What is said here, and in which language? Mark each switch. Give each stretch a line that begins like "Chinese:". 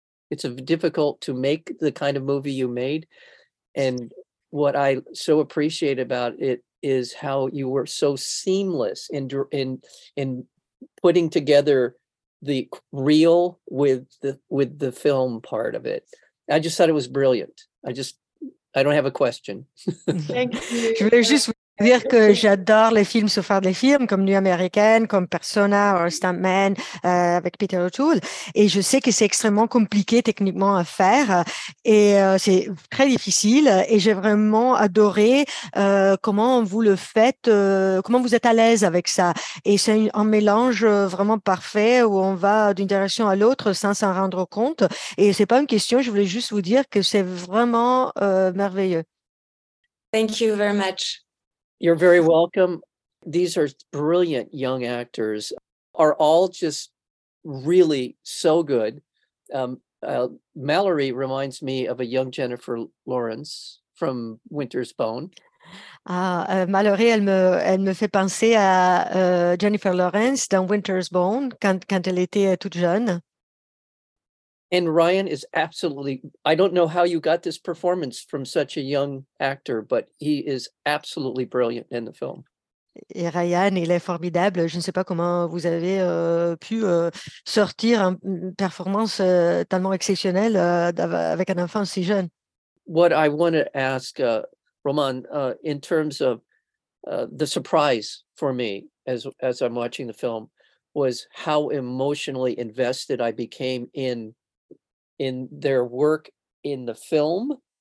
English: It's difficult to make the kind of movie you made. And what I so appreciate about it is how you were so seamless in putting together the reel with the film part of it. I just thought it was brilliant. I don't have a question.
French: Je voulais juste vous dire que j'adore les films sur faire des films, comme Nuit américaine, comme Persona ou Stuntman avec Peter O'Toole. Et je sais que c'est extrêmement compliqué techniquement à faire et c'est très difficile. Et j'ai vraiment adoré comment vous le faites, comment vous êtes à l'aise avec ça. Et c'est un mélange vraiment parfait où on va d'une direction à l'autre sans s'en rendre compte. Et c'est pas une question, je voulais juste vous dire que c'est vraiment merveilleux.
English: Thank you very much. You're very welcome. These are brilliant young actors, are all just really so good. Mallory reminds me of a young Jennifer Lawrence from Winter's Bone.
French: Mallory, elle me fait penser à Jennifer Lawrence dans Winter's Bone quand elle était toute jeune.
English: And Ryan is absolutely, I don't know how you got this performance from such a young actor, but he is absolutely brilliant in the film.
French: Et Ryan, il est formidable. Je ne sais pas comment vous avez pu sortir une performance tellement exceptionnelle avec un enfant si jeune.
English: What I want to ask, Roman, in terms of the surprise for me as I'm watching the film, was how emotionally invested I became in their work in the film